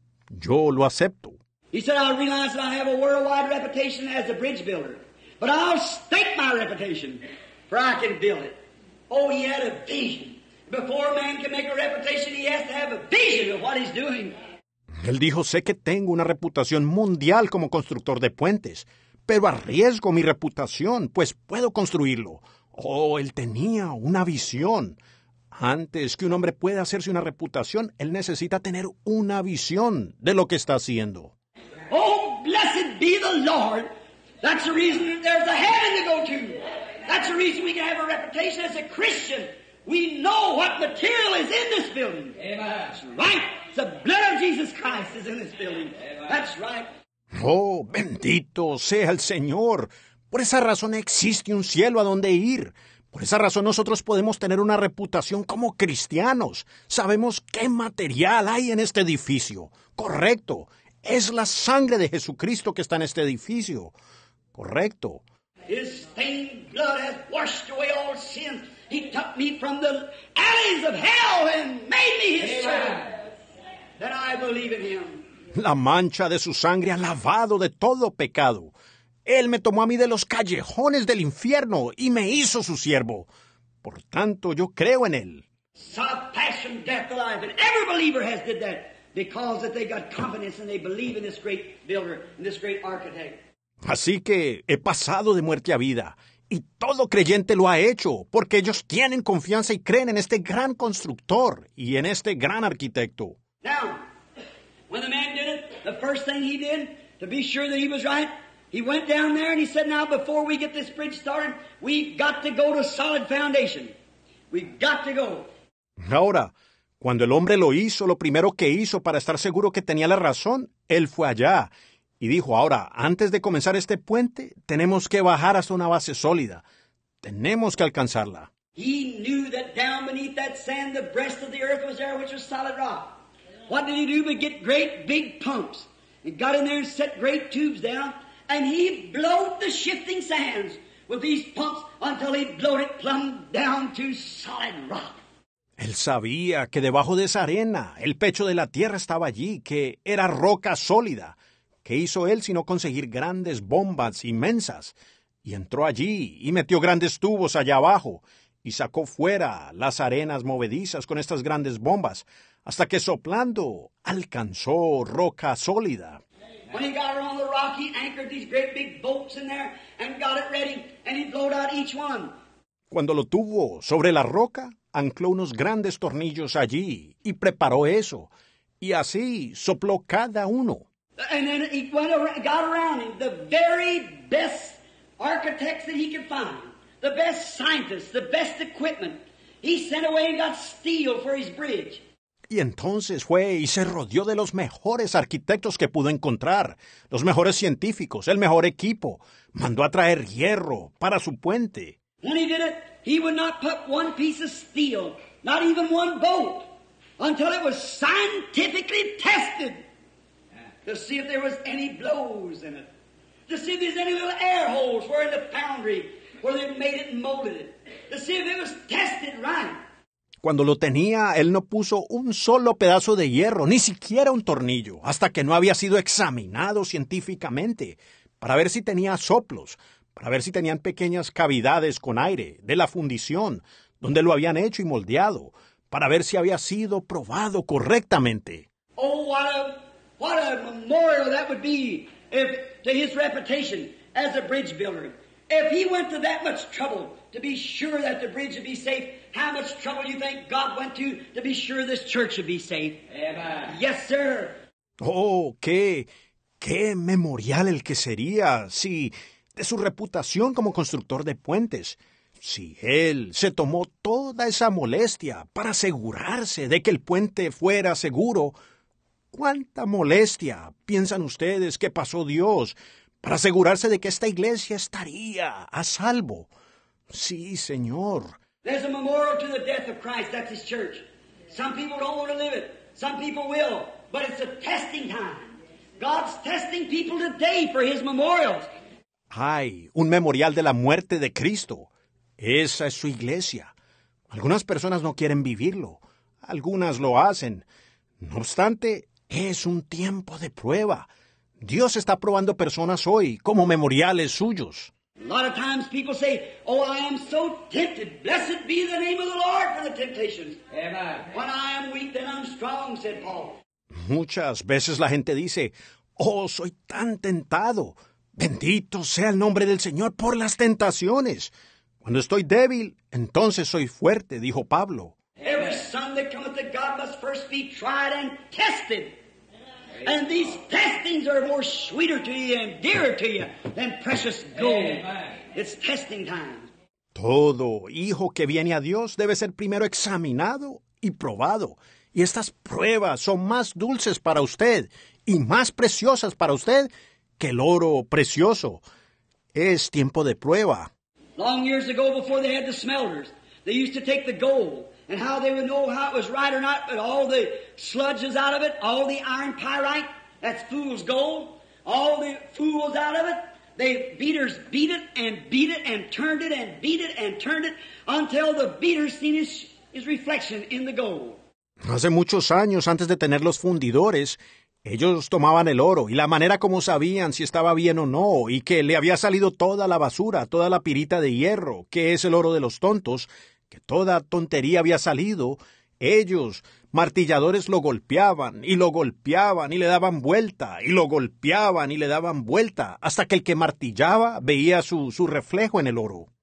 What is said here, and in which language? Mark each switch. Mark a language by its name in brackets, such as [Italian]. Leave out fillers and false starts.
[Spanish] Yo lo acepto. [English] He said, I realize that I have a worldwide reputation as a bridge builder, but I'll stake my reputation, for I can build it. Oh, he had a vision. Before a man can make a reputation, he has to have a vision of what he's doing. [Spanish] Él dijo, sé que tengo una reputación mundial como constructor de puentes, pero arriesgo mi reputación, pues puedo construirlo. Oh, él tenía una visión. Antes que un hombre pueda hacerse una reputación, él necesita tener una visión de lo que está haciendo. [English] Oh, blessed be the Lord. That's the reason that there's a heaven to go to. That's the reason we can have a reputation as a Christian. We know what material is in this building. Amen. That's right. The blood of Jesus Christ is in this building. Amen. That's right. [Spanish] Oh, bendito sea el Señor. Por esa razón existe un cielo a donde ir. Por esa razón nosotros podemos tener una reputación como cristianos. Sabemos qué material hay en este edificio. Correcto. Es la sangre de Jesucristo que está en este edificio. Correcto. [English] His stained blood has washed away all sin. He took me from the alleys of hell and made me his child. That I believe in him. [Spanish] La mancha de su sangre ha lavado de todo pecado. Él me tomó a mí de los callejones del infierno y me hizo su siervo. Por tanto, yo creo en él. [English] Passion, death, alive, and every believer has did that because that they got confidence and they believe in this great builder, in this great architect. [Spanish] Así que he pasado de muerte a vida y todo creyente lo ha hecho porque ellos tienen confianza y creen en este gran constructor y en este gran arquitecto. [English] Now, when the man did it, the first thing he did to be sure that he was right, he went down there and he said, now before we get this bridge started, we've got to go to solid foundation. We've got to go. [Spanish] Ahora, cuando el hombre lo hizo, lo primero que hizo para estar seguro que tenía la razón, él fue allá y dijo, ahora, antes de comenzar este puente, tenemos que bajar hasta una base sólida. Tenemos que alcanzarla. [English] He knew that down beneath that sand, the breast of the earth was there, which was solid rock. What did he do but get great big pumps? He got in there and set great tubes down, and he blowed the shifting sands with these pumps until he blowed it plumb down to solid rock. [Spanish] Él sabía que debajo de esa arena, el pecho de la tierra estaba allí, que era roca sólida. ¿Qué hizo él sino conseguir grandes bombas inmensas? Y entró allí y metió grandes tubos allá abajo y sacó fuera las arenas movedizas con estas grandes bombas hasta que soplando alcanzó roca sólida. [English] When he got on the rock, he anchored these great big bolts in there and got it ready and he blowed out each one. [Spanish] Cuando lo tuvo sobre la roca, ancló unos grandes tornillos allí y preparó eso y así sopló cada uno. [English] And then he went around, got around him the very best architects that he could find, the best scientists, the best equipment. He sent away and got steel for his bridge. [Spanish] Y entonces fue y se rodeó de los mejores arquitectos que pudo encontrar, los mejores científicos, el mejor equipo. Mandó a traer hierro para su puente. [English] When he did it, he would not put one piece of steel, not even one bolt, until it was scientifically tested. To see if there was any blows in it. To see if there's any little air holes where in the foundry where they made it and molded it. To see if it was tested right. [Spanish] Cuando lo tenía, él no puso un solo pedazo de hierro, ni siquiera un tornillo, hasta que no había sido examinado científicamente para ver si tenía soplos, para ver si tenían pequeñas cavidades con aire de la fundición donde lo habían hecho y moldeado, para ver si había sido probado correctamente. [English] Oh, what a memorial that would be if, to his reputation as a bridge builder. If he went to that much trouble to be sure that the bridge would be safe, how much trouble do you think God went to be sure this church would be safe? Amen. Yes, sir. [Spanish] Oh, qué memorial el que sería si de su reputación como constructor de puentes, si él se tomó toda esa molestia para asegurarse de que el puente fuera seguro. ¿Cuánta molestia piensan ustedes que pasó Dios para asegurarse de que esta iglesia estaría a salvo? Sí, Señor. [English] There's a memorial to the death of Christ. That's his church. Some people don't want to live it. Some people will. But it's a testing time. God's testing people today for his memorials. [Spanish] Hay un memorial de la muerte de Cristo. Esa es su iglesia. Algunas personas no quieren vivirlo. Algunas lo hacen. No obstante, es un tiempo de prueba. Dios está probando personas hoy como memoriales suyos. [English] A lot of times people say, oh, I am so tempted. Blessed be the name of the Lord for the temptations. Amen. When I am weak, then I'm strong, said Paul. [Spanish] Muchas veces la gente dice, oh, soy tan tentado. Bendito sea el nombre del Señor por las tentaciones. Cuando estoy débil, entonces soy fuerte, dijo Pablo. [English] Every son that cometh to God must first be tried and tested. And these testings are more sweeter to you and dearer to you than precious gold. It's testing time. [Spanish] Todo hijo que viene a Dios debe ser primero examinado y probado. Y estas pruebas son más dulces para usted y más preciosas para usted que el oro precioso. Es tiempo de prueba. [English] Long years ago, before they had the smelters, they used to take the gold. And how they would know how it was right or not, but all the sludges out of it, all the iron pyrite, that's fool's gold, all the fools out of it, the beaters beat it and turned it and beat it and turned it until the beater seen his reflection in the gold. [Spanish] Hace muchos años, antes de tener los fundidores, ellos tomaban el oro y la manera como sabían si estaba bien o no y que le había salido toda la basura, toda la pirita de hierro, que es el oro de los tontos, que toda tontería había salido, ellos, martilladores, lo golpeaban y lo golpeaban y le daban vuelta y lo golpeaban y le daban vuelta hasta que el que martillaba veía su reflejo en el oro.